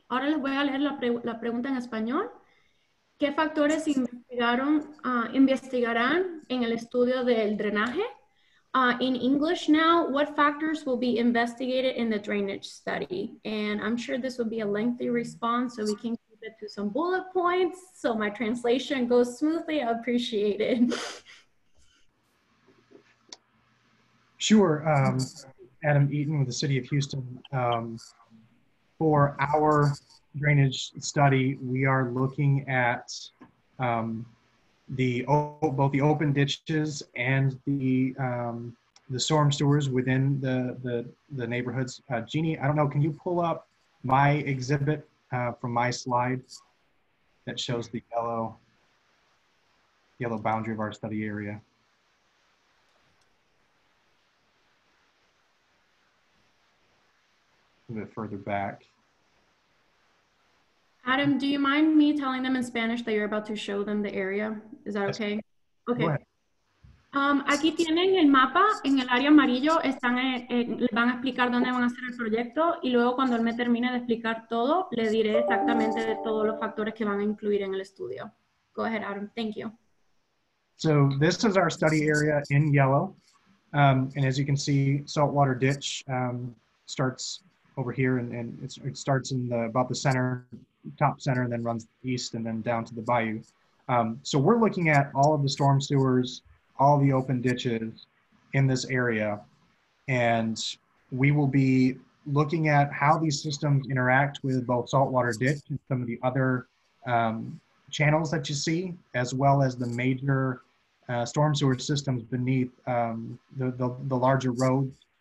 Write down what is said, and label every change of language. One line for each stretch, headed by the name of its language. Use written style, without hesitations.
Spanish: Ahora les voy a leer la pregunta en español. ¿Qué factores investigarán en el estudio del drenaje?
English: In English now, what factors will be investigated in the drainage study? And I'm sure this will be a lengthy response, so we can keep it to some bullet points so my translation goes smoothly. I appreciate it. Sure. Adam Eaton with the City of Houston. For our drainage study, we are looking at both the open ditches and the storm sewers within the neighborhoods. Jeannie, I don't know, can you pull up my exhibit from my slide that shows the yellow boundary of our study area? A bit further back. Adam, do you mind me telling them in Spanish that you're about to show them the area? Is that okay? Okay.
Spanish: Aquí tienen el mapa en el área amarillo. Están les van a explicar dónde van a hacer el proyecto y luego cuando él me termine de explicar todo, le diré exactamente de todos los factores que van a incluir en el estudio.
English: Go ahead, Adam. Thank you. So this is our study area in yellow. And as you can see, Saltwater Ditch starts over here, and it's, it starts in the, about the center, top center, and then runs east and then down to the bayou. So we're looking at all of the storm sewers, all the open ditches in this area, and we will be looking at how these systems interact with both saltwater ditch and some of the other channels that you see, as well as the major storm sewer systems beneath the larger roads.